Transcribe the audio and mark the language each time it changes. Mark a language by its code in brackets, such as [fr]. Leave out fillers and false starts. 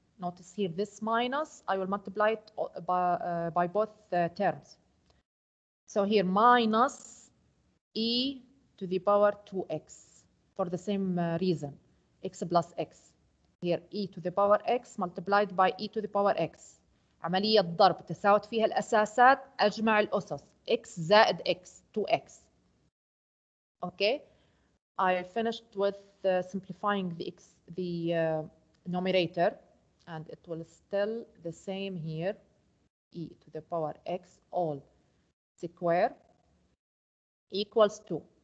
[en] Notice here this minus. I will multiply it by both terms. So here minus e to the power 2x for the same reason, x plus x. Here e to the power x multiplied by e to the power x. [ar] عملية ضرب تساوت فيها الأساسات أجمع الأسس. X زائد x, 2x. [en] Okay, I finished with simplifying the numerator, and it will still the same here. E to the power x all square equals 2.